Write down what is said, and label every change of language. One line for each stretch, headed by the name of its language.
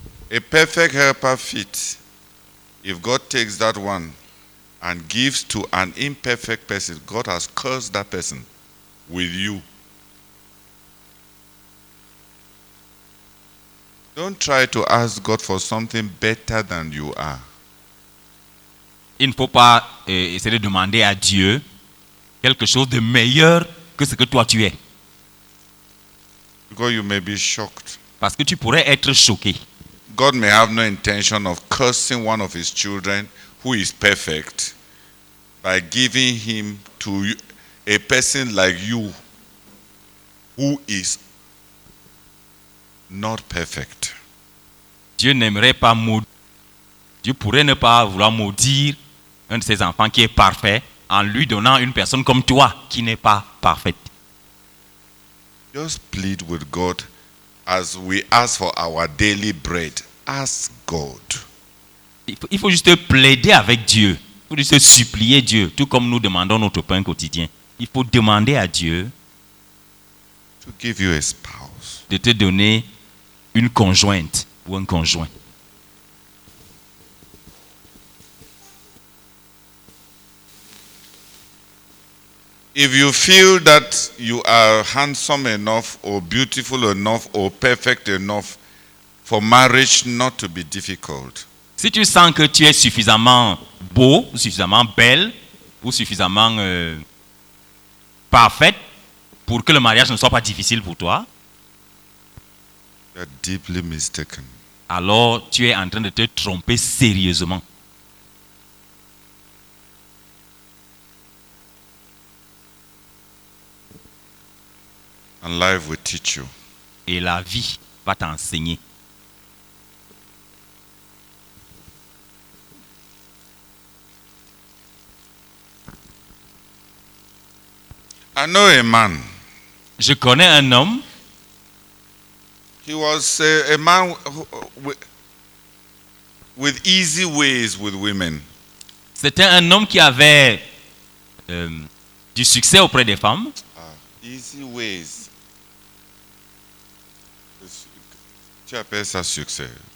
English: A perfect helper fit, if God takes that one and gives to an imperfect person, God has cursed that person with you. Don't try to ask God for something better than you are.
French: Il ne faut pas essayer de demander à Dieu quelque chose de meilleur que ce que toi tu es.
English: Because you may be shocked.
French: Parce que tu pourrais être choqué.
English: God may have no intention of cursing one of his children who is perfect by giving him to a person like you who is not perfect.
French: Dieu n'aimerait pas Dieu pourrait ne pas vouloir maudire un de ses enfants qui est parfait en lui donnant une personne comme toi qui n'est pas parfaite.
English: Just plead with God as we ask for our daily bread. Ask God.
French: Il faut juste plaider avec Dieu. Il faut juste supplier Dieu, tout comme nous demandons notre pain quotidien. Il faut demander à Dieu
English: to give you a spouse.
French: De te donner une conjointe ou un conjoint.
English: If you feel that you are handsome enough or beautiful enough or perfect enough for marriage not to be difficult.
French: Si tu sens que tu es suffisamment beau, suffisamment belle ou suffisamment parfaite pour que le mariage ne soit pas difficile pour toi,
English: you are deeply mistaken.
French: Alors tu es en train de te tromper sérieusement.
English: And life will teach you.
French: Et la vie va t'enseigner.
English: I know a man.
French: Je connais un homme.
English: He was a man with easy ways with women.
French: C'était un homme qui avait du succès auprès des femmes.
English: Easy ways.
French: Tu appelles ça succès.